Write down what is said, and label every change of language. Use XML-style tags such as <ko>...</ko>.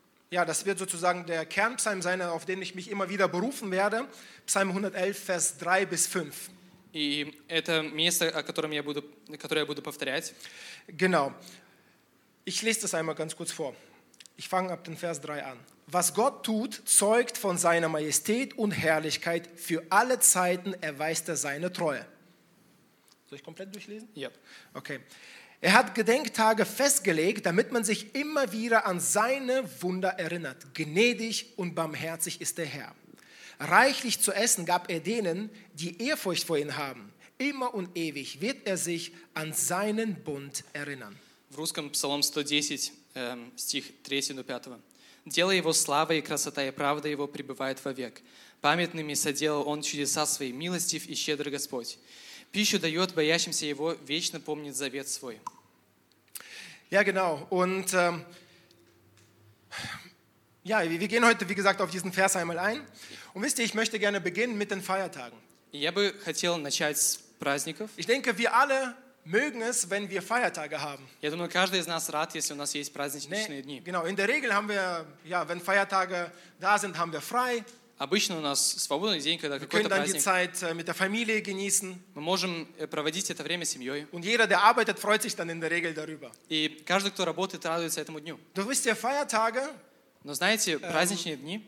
<de>Das wird sozusagen der Kernpsalm sein, auf den ich mich immer wieder berufen werde. Psalm 111, Vers 3 bis 5.</de> <ru>И это место, о котором я буду, которое я буду повторять.</ru> <de>Genau. Ich lese das einmal ganz kurz vor. Ich fange ab den Vers 3 an. Was Gott tut, zeugt von seiner Majestät und Herrlichkeit. Für alle Zeiten erweist er seine Treue. Soll ich komplett durchlesen? Ja. Okay. Er hat Gedenktage festgelegt, damit man sich immer wieder an seine Wunder erinnert. Gnädig und barmherzig ist der Herr. Reichlich zu essen gab er denen, die Ehrfurcht vor ihm haben. Immer und ewig wird er sich an seinen Bund erinnern.</de> <ru>В русском Псалом 110, стих 3 до 5. «Дело его славы и красота, и правда его пребывает вовек. Памятными соделал он чудеса свои, милостив и щедрый Господь. Пищу дает боящимся его, вечно помнит завет свой».</ru> <de>Ja, genau. Und wir gehen heute, wie gesagt, auf diesen Vers einmal ein. Und wisst ihr, ich möchte gerne beginnen mit den Feiertagen.</de> <ru>Я бы хотел начать с праздников.</ru> <de>Ich denke, wir alle mögen es, wenn wir Feiertage haben.</de> <ru>Я думаю, каждый из нас рад, если у нас есть праздничные дни.</ru> <de>Genau, in der Regel haben wir, wenn Feiertage da sind, haben wir frei.</de> <ru>Обычно у нас свободный день, когда какой-то праздник.</ru> <de>Wir können dann die Zeit mit der Familie genießen.</de> <ru>Мы можем проводить это время с семьей.</ru> <de>Und jeder, der arbeitet, freut sich dann in der Regel darüber.</de> <ru>И каждый, кто работает, радуется этому дню.</ru> <de>Du wisst ja, Feiertage.</de> <ru>Но знаете, праздничные дни.</ru>